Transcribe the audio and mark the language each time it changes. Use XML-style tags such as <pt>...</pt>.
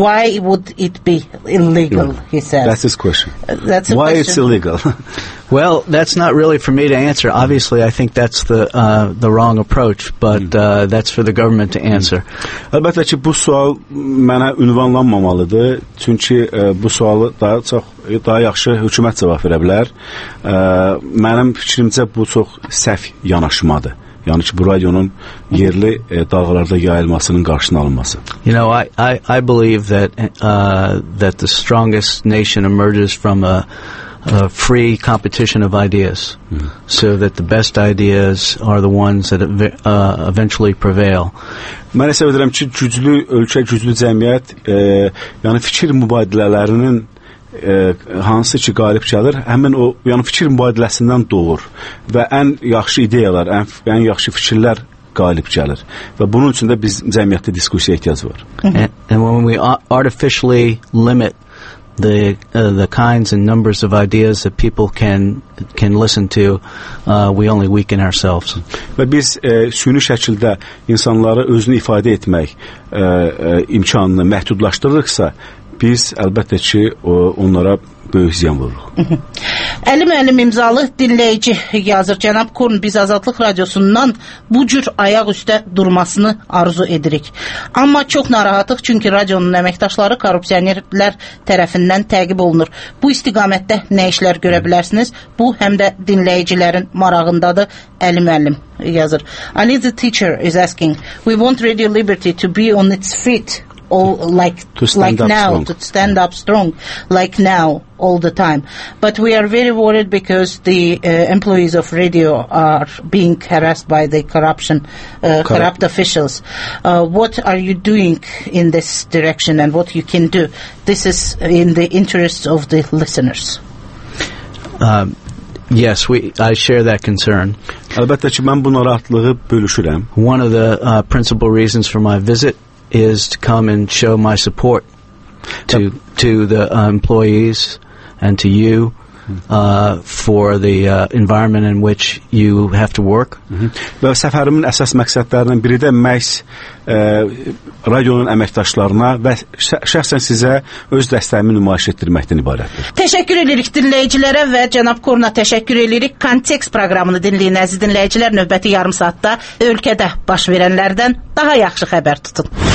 <en>Why would it be illegal, he says. That's his question. That's why question. It's illegal. Well, that's not really for me to answer. Obviously, I think that's the wrong approach, but that's for the government to answer.</en> <az>Elbette ki, bu sual mənə ünvanlanmamalıdır. Çünki bu sualı daha çox, daha yaxşı hükumət cavab verə bilər. Mənim fikrimcə bu çox səhv yanaşmadır.</az> <tr>Yani ki, bu radyonun yerli dalgalarda yayılmasının karşısına alınması.</tr> <en>You know, I believe that that the strongest nation emerges from a free competition of ideas, so that the best ideas are the ones that eventually prevail.</en> <az>Mən isə bilirəm ki, güclü ölkə, güclü cəmiyyət, yani fikir mübadilələrinin hansı ki qalib gəlir, həmin o yəni fikir mübadiləsindən doğur və ən yaxşı ideyalar, ən yaxşı fikirlər qalib gəlir və bunun üçün də biz cəmiyyətdə diskussiya ehtiyac var.</az> <en>And when we artificially limit the kinds and numbers of ideas that people can listen to, we only weaken ourselves.</en> <az>Və biz süni şəkildə insanları özünü ifadə etmək imkanını məhdudlaşdırırıqsa biz əlbəttə ki onlara böyük ziyan vururuq. Əlim əlim imzalı dinləyici yazır. Cənab Korn, biz Azadlıq Radiosundan bu cür ayaq üstə durmasını arzu edirik. Amma çox narahatıq, çünki radionun əməkdaşları korrupsiyonerlər tərəfindən təqib olunur. Bu istiqamətdə nə işlər görə bilərsiniz? Bu həm də dinləyicilərin marağındadır. Əlim əlim yazır.</az> <en>Ali the teacher is asking, we want Radio Liberty to be on its feet. To stand up strong, like now, all the time. But we are very worried because the employees of radio are being harassed by the corruption, corrupt officials. What are you doing in this direction, and what you can do? This is in the interests of the listeners. Yes, I share that concern.</en> <az>Elbette ki, ben bu narahatlığı bölüşürəm.</az> <en>One of the principal reasons for my visit is to come and show my support to the employees and to you for the environment in which you have to work.</en> <az>Və səfərimin əsas məqsədlərindən biri də məhz radionun əməkdaşlarına və şəxsən sizə öz dəstəyimi nümayiş etdirməkdən ibarətdir. Təşəkkür edirik dinləyicilərə və cənab Korna təşəkkür edirik. Kontekst proqramını dinləyin, əziz dinləyicilər. Növbəti yarım saatda ölkədə baş verənlərdən daha yaxşı xəbər tutun.</az>